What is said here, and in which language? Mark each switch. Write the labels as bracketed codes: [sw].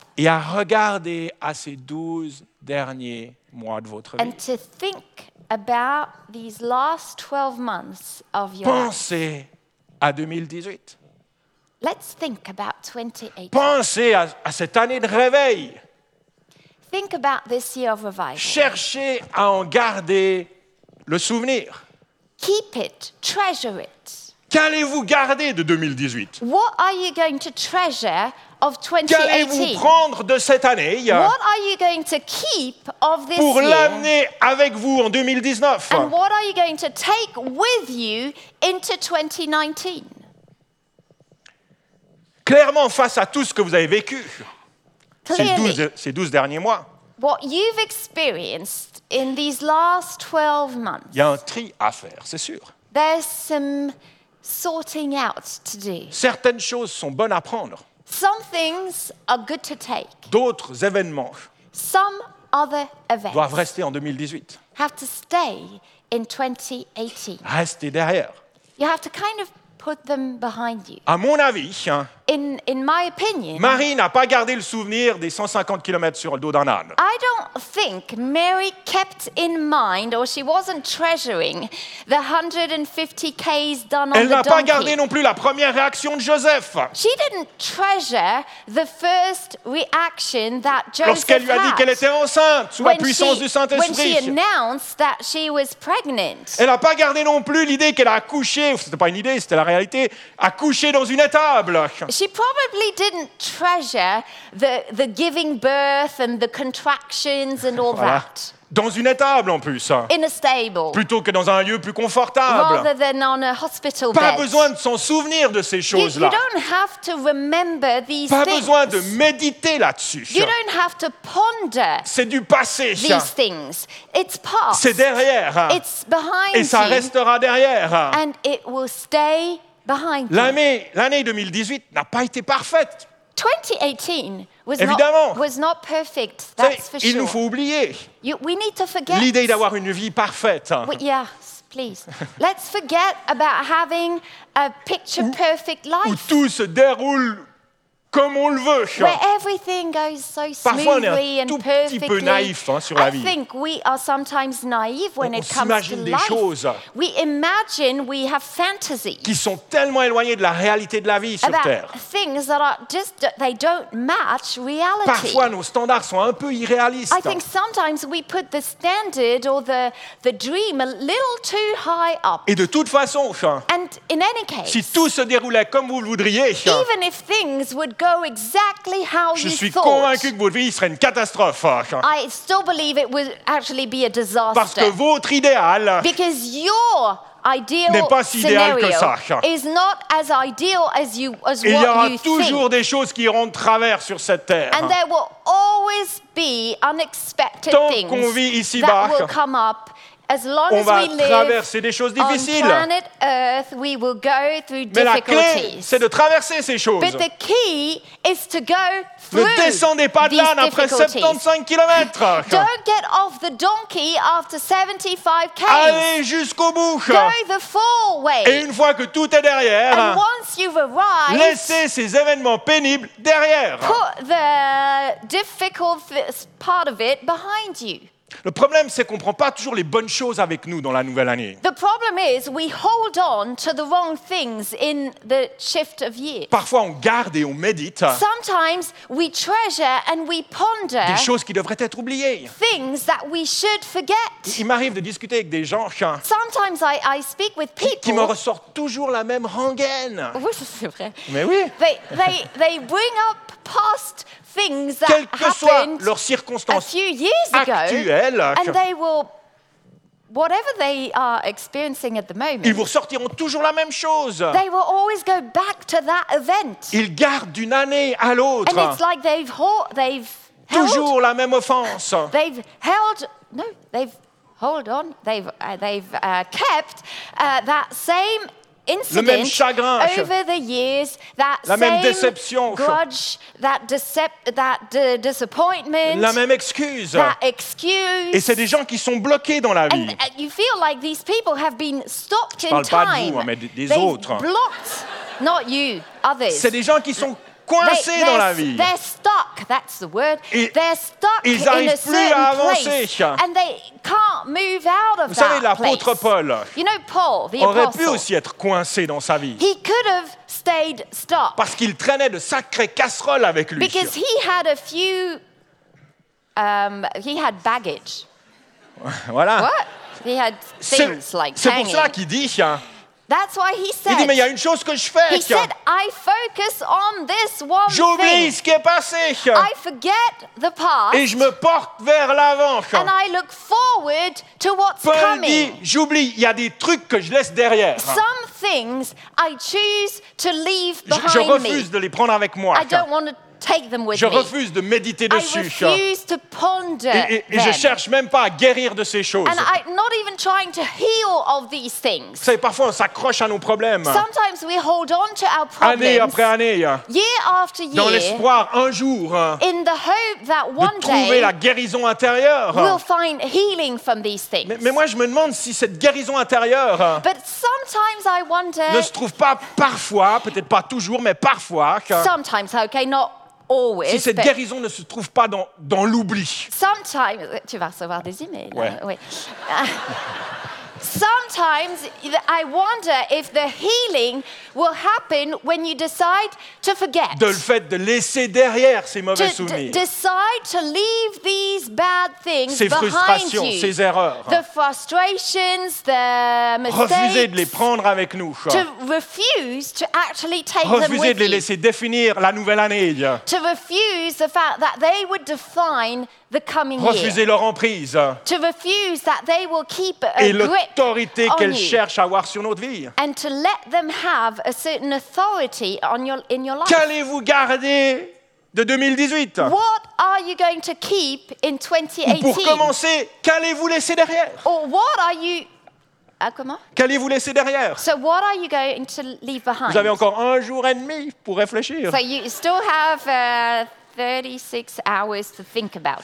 [fr] et à regarder à ces 12 derniers mois de votre vie. [en] And to think about these last 12 months of your [fr] pensez [en] life. [fr] À 2018. [en] Let's think about 2018. [fr] Pensez à cette année de réveil. [en] Think about this year of revival. [fr] Cherchez à en garder le souvenir. [en] Keep it, treasure it. [fr] Qu'allez-vous garder de 2018? [en] What are you going to treasure of 2018? [fr] Qu'allez-vous prendre de cette année? [en] What are you going to keep of this [fr] pour [en] year? [fr] L'amener avec vous en 2019? [en] And what are you going to take with you into 2019? [fr] Clairement, face à tout ce que vous avez vécu, ces 12 derniers mois, [en] what you've experienced in these last 12 months, [fr] il y a un tri à faire, c'est sûr. [en] There's some sorting out to do. [fr] Certaines choses sont bonnes à prendre. [en] Some things are good to take. [fr] D'autres événements, [en] some other events, [fr] doivent rester en 2018. [en] Have to stay in 2018. [fr] Rester derrière. [en] You have to kind of put them behind you. [fr] À mon avis, [en] in my opinion, [fr] Marie n'a pas gardé le souvenir des 150 km sur le dos d'un âne. [en] I don't think Mary kept in mind, or she wasn't treasuring, the 150 k's done on the donkey. [fr] Elle n'a pas gardé non plus la première réaction de Joseph. [en] She didn't treasure the first reaction that Joseph had. [fr] Lorsqu'elle lui a dit qu'elle était enceinte sous la puissance du Saint-Esprit. [en] When she announced that she was pregnant. [fr] Elle n'a pas gardé non plus l'idée qu'elle a accouché. C'était pas une idée, c'était la réalité. Accouché dans une étable. [en] She probably didn't treasure the giving birth and the contractions and all [fr] voilà. [en] That. [fr] Dans une étable en plus. [en] In a stable. [fr] Plutôt que dans un lieu plus confortable. [en] Rather than on a hospital [fr] pas [en] bed. [fr] Besoin de s'en souvenir de ces choses-là. [en] You don't have to remember these [fr] pas [en] things. [fr] Pas besoin de méditer là-dessus. [en] You don't have to ponder. [fr] C'est du passé. [en] These things. It's past. [fr] C'est derrière. [en] It's behind. [fr] Et ça restera derrière. [en] And it will stay. Behind [fr] l'année 2018 n'a pas été parfaite. [en] 2018 was not perfect, that's for sure. [fr] Il nous faut oublier. [en] We need to forget. [fr] L'idée d'avoir une vie parfaite. [en] Yes, please. Let's forget about having a picture perfect life. [fr] Où tout se déroule comme on le veut. [en] Where everything goes so smoothly and perfectly. [fr] Parfois, on est un petit peu naïf sur la vie. [en] I think we are sometimes naive when it comes to life. [fr] On s'imagine des choses. [en] We imagine we have fantasies. [fr] Qui sont tellement éloignées de la réalité de la vie sur Terre. [en] Things that are just they don't match reality. [fr] Parfois, nos standards sont un peu irréalistes. [en] I think sometimes we put the standard or the dream a little too high up. [fr] Et de toute façon, [en] and in any case, [fr] si tout se déroulait comme vous le voudriez, [en] even if things were would go exactly how [fr] je [en] you [fr] suis [en] thought. [fr] Convaincu que votre vie serait une catastrophe. [en] I still believe it would actually be a disaster. [fr] Parce que votre idéal [en] because your ideal [fr] n'est pas si idéal que ça. [en] Is not as ideal as you as [fr] et [en] what you think. [fr] Il y aura toujours [en] think. [fr] Des choses qui iront de travers sur cette terre. [en] And there will always be unexpected [fr] tant [en] things [fr] qu'on vit ici [en] that [fr] bas, [en] will come up. As long [fr] on [en] as [fr] va [en] we live [fr] traverser des choses difficiles. [en] On planet Earth, we will go through [fr] mais [en] difficulties. [fr] La clé, c'est de traverser ces choses. [en] But the key is to go through. [fr] Ne descendez pas de l'âne après 75 km. [en] Don't get off the donkey after 75 km. [fr] Allez jusqu'au bout. [en] Go the full way. [fr] Et une fois que tout est derrière, [en] and once you've arrived, [fr] laissez ces événements pénibles derrière. [en] Put the difficult part of it behind you. [fr] Le problème, c'est qu'on ne prend pas toujours les bonnes choses avec nous dans la nouvelle année. [en] The problem is we hold on to the wrong things in the shift of years. [fr] Parfois, on garde et on médite. [en] Sometimes we treasure and we ponder. [fr] Des choses qui devraient être oubliées. [en] Things that we should forget. [fr] Il m'arrive de discuter avec des gens. [en] Sometimes I speak with people. [fr] Qui me ressortent toujours la même rengaine. Oui, c'est vrai. Mais oui. [en] They bring up past. Things that [fr] quelles que soient leurs circonstances [en] a few years ago, [fr] actuelles, [en] and they will, whatever they are experiencing at the moment, [fr] ils vous ressortiront toujours la même chose. [en] They will always go back to that event. [fr] Ils gardent d'une année à l'autre. [en] And it's like they've [fr] toujours [en] held, [fr] la même offense. [en] They've held, no, they've hold on, they've kept that same. [fr] Le même chagrin, [en] over the years, that [fr] la même déception, [en] grudge, that disappointment, [fr] la même excuse. [en] That excuse. [fr] Et c'est des gens qui sont bloqués dans la vie. [en] And you feel like these people have been stopped in time. [fr] Je parle pas de vous, mais des [en] they've [fr] autres. [en] Blocked, not you, others. [fr] C'est des gens qui sont coincés [en] they're [fr] dans la vie. [en] They're stuck. That's the word. [fr] Et [en] they're stuck in a certain [fr] plus à avancer. [en] Place, and they can't move out of [fr] vous savez, [en] that [fr] l'apôtre [en] place. [fr] Paul, [en] you know, Paul the [fr] aurait [en] apostle, [fr] pu aussi être coincé dans sa vie. [en] He could have stayed stuck. [fr] Parce qu'il traînait de sacrées casseroles avec lui. [en] Because he had a few, he had baggage. [fr] Voilà. [en] What? He had things like [fr] c'est pour cela qu'il dit. [en] That's why he said. [fr] Il dit, mais il y a une chose que je fais. [en] He said, I focus on this one thing. [fr] J'oublie ce qui est passé. [en] I forget the past. [fr] Et je me porte vers l'avant. [en] And I look forward to what's [fr] Paul [en] coming. [fr] Dit, j'oublie. Il y a des trucs que je laisse derrière. [en] Some things I choose to leave behind. [fr] Je refuse de les prendre avec moi. [en] I don't want to take them with [fr] je refuse de méditer dessus. [en] I refuse to ponder [fr] et [en] them. [fr] Je ne cherche même pas à guérir de ces choses. [en] And I'm not even trying to heal of these things. [fr] Vous savez, parfois, on s'accroche à nos problèmes. [en] Sometimes we hold on to our problems. [fr] Année après année. [en] Year after year. [fr] Dans l'espoir, un jour. [en] In the hope that one day. [fr] De trouver [en] day, [fr] la guérison intérieure. [en] We'll find healing from these things. [fr] Mais moi, je me demande si cette guérison intérieure. [en] But sometimes I wonder. [fr] Ne se trouve pas parfois, peut-être pas toujours, mais parfois. Que [en] sometimes, okay, not. Always, [fr] si cette guérison ne se trouve pas dans l'oubli. [en] Sometimes [fr] tu vas recevoir des emails. Ouais. Oui. [en] Sometimes I wonder if the healing will happen when you decide to forget. [fr] De le fait de laisser derrière ces mauvais souvenirs. [en] Decide to leave these bad things [fr] ces [en] behind you. [fr] Ces frustrations, ces erreurs. [en] The frustrations, the mistakes. [fr] Refuser de les prendre avec nous. [en] To refuse to actually take [fr] refuser [en] them with you. [fr] Refuser de les laisser définir la nouvelle année. [en] To refuse the fact that they would define the coming [fr] refuser [en] year. [fr] Refuser leur emprise. [en] To refuse that they will keep a grip. [fr] Autorité qu'elle cherche à avoir sur notre vie. [en] And to let them have a certain authority on your in your life. [fr] Qu'allez-vous garder de 2018? [en] What are you going to keep in 2018? [fr] Ou pour commencer, qu'allez-vous laisser derrière? [en] Or what are you comment? [fr] Qu'allez-vous laisser derrière? [en] So what are you going to leave behind? [fr] Vous avez encore un jour et demi pour réfléchir. [en] So you still have 36 hours to think about it.